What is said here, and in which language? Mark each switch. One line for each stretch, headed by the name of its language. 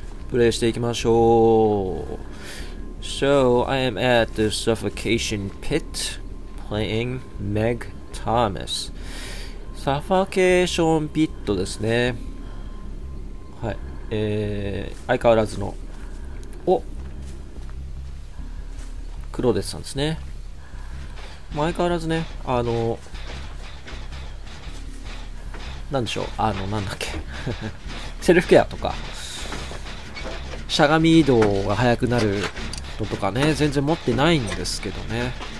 Japanese: プレイしていきましょう。
English: So, I am at the suffocation pit playing Meg Thomas.
Japanese: サファケーションピットですね。はい。相変わらずの。お! クローデスさんですね。相変わらずね、なんでしょう、なんだっけセルフケアとかしゃがみ移動が速くなるのとかね、全然持ってないんですけどね。